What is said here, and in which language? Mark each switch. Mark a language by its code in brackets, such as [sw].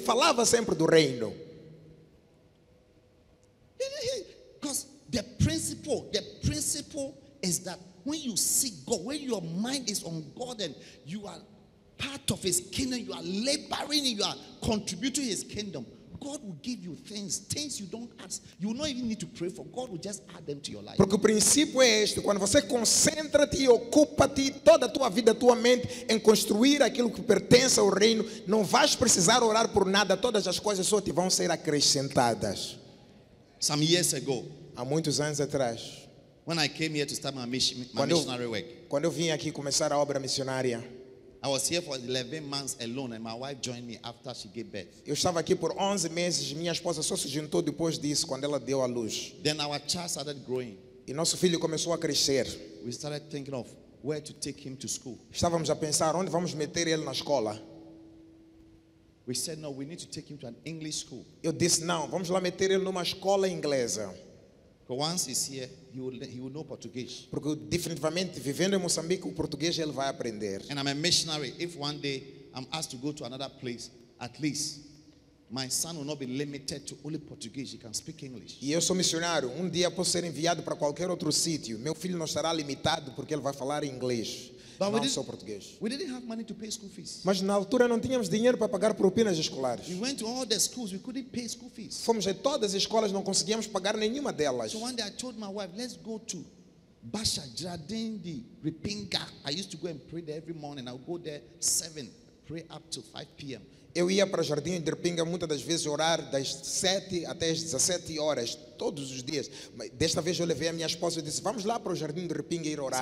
[pt] Falava sempre do reino. [en] Because the principle is that when you seek God, when your mind is on God and you are part of His kingdom, you are laboring, you are contributing to His kingdom, God will give you things you don't ask. You will not even need to pray for. God will just add them to your life. [pt] Porque o princípio é este: quando você concentra-te e ocupa-te toda a tua vida, tua mente, em construir aquilo que pertence ao reino, não vais precisar orar por nada, todas as coisas só te vão ser acrescentadas. [en] Some years ago, [pt] há muitos anos atrás, [en] when I came here to start my missionary work, [pt] quando eu vim aqui começar a obra missionária, [en] I was here for 11 months alone, and my wife joined me after she gave birth. [pt] Eu estava aqui por 11 meses, minha esposa só se juntou depois disso, quando ela deu à luz. [en] Then our child started growing. [pt] E nosso filho começou a crescer. [en] We started thinking of where to take him to school. [pt] Estávamos a pensar onde vamos meter ele na escola. [en] We said no, we need to take him to an English school. [pt] Eu disse não, vamos lá meter ele numa escola inglesa. [en] Once he's here, he will know Portuguese. [pt] Porque definitivamente vivendo em Moçambique o português ele vai aprender. [en] And I'm a missionary. If one day I'm asked to go to another place, at least my son will not be limited to only Portuguese. He can speak English. [pt] E eu sou missionário. Um dia posso ser enviado para qualquer outro sítio. Meu filho não estará limitado porque ele vai falar inglês, [en] but [pt] não só português. [en] We didn't have money to pay school fees. [pt] Mas na altura não tínhamos dinheiro para pagar propinas escolares. [en] We went to all the schools, we couldn't pay school fees. [pt] Fomos a todas as escolas, não conseguíamos pagar nenhuma delas. [en] So one day I told my wife, let's go to Basha Jardindi Ripinga. I used to go and pray there every morning. I would go there 7, pray up to 5 p.m. [pt] Eu ia para o Jardim de Ripinga muitas das vezes orar das 7 até as 17 horas, todos os dias. Mas desta vez eu levei a minha esposa e disse, vamos lá para o Jardim de Ripinga ir orar.